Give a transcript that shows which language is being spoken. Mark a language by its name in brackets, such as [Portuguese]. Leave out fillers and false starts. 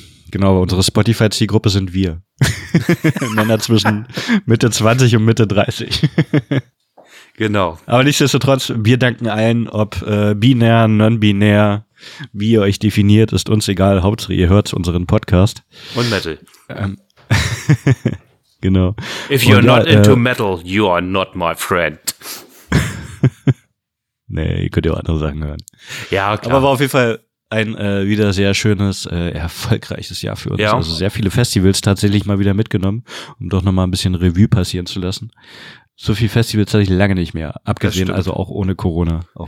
[German] Genau, unsere Spotify-Zielgruppe sind wir. Männer zwischen Mitte 20 und Mitte 30. Genau. Aber nichtsdestotrotz, wir danken allen, ob binär, non-binär, wie ihr euch definiert, ist uns egal. Hauptsache, ihr hört unseren Podcast. Und Metal. genau. [English] If you're und, not into Metal, you are not my friend. [German] Nee, ihr könnt ja auch andere Sachen hören. Ja, klar. Aber war auf jeden Fall ein wieder sehr schönes, erfolgreiches Jahr für uns. Ja. Also sehr viele Festivals tatsächlich mal wieder mitgenommen, um doch nochmal ein bisschen Revue passieren zu lassen. So viel Festivals hatte ich lange nicht mehr, abgesehen also auch ohne Corona, auch